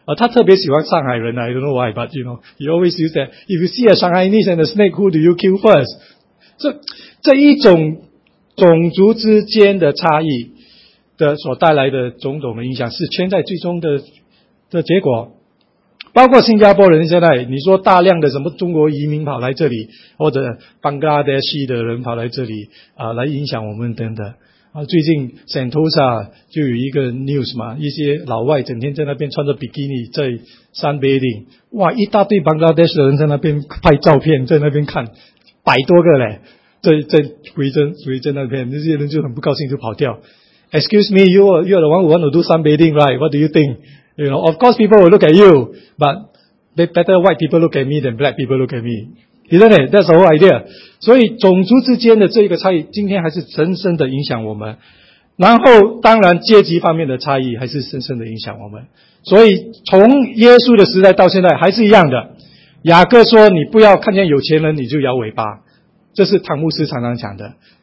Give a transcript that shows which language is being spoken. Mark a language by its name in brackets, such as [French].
[English] 他特别喜欢上海人啊，I don't know why, but you know, he always use that. If you see a Shanghainese and a snake, who do you kill first? [Chinese] 这一种族之间的差异的所带来的种种的影响，是圈在最终的结果。包括新加坡人现在，你说大量的什么中国移民跑来这里，或者 Bangladesh 的人跑来这里啊，来影响我们等等。最近 Sentosa 就有一个 news 嘛，一些老外整天在那边穿着 bikini 在 sunbathing， 哇，一大堆 Bangladesh 的人在那边拍照片，在那边看，百多个嘞，在围着那边，那些人就很不高兴，就跑掉。 [English] Excuse me, you are the one who want to do sunbathing, right? What do you think? You know, of course people will look at you, but better white people look at me than black people look at me. Isn't it? That's the whole idea. [Chinese] 所以种族之间的这个差异今天还是深深的影响我们。然后当然阶级方面的差异还是深深的影响我们。所以从耶稣的时代到现在还是一样的。雅各说你不要看见有钱人你就摇尾巴。这是唐牧师常常讲的。